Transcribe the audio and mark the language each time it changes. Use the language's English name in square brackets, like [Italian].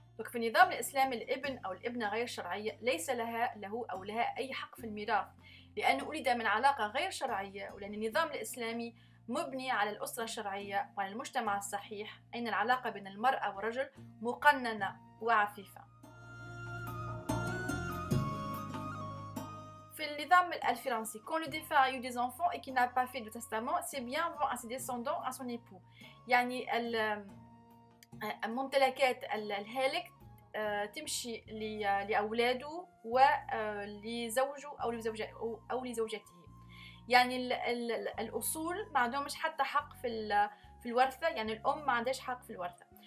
[Arabic] في النظام الإسلامي الإبن أو الإبنة غير شرعية ليس له أو لها أي حق في الميراث، لأنه ولد من علاقة غير شرعية، ولأن النظام الإسلامي مبني على الأسرة الشرعية وعلى المجتمع الصحيح، أن العلاقة بين المرأة والرجل مقننة وعفيفة. في النظام الفرنسي، [French] quand le défunt a eu des enfants et qu'il n'a pas fait de testament, c'est bien vont à ses descendants à son époux. [Arabic] يعني ممتلكات الهالك تمشي لأولاده ولزوجه أو لزوجته. يعني الأصول ما عندهمش حتى حق في الورثة، يعني الأم ما عندهاش حق في الورثة.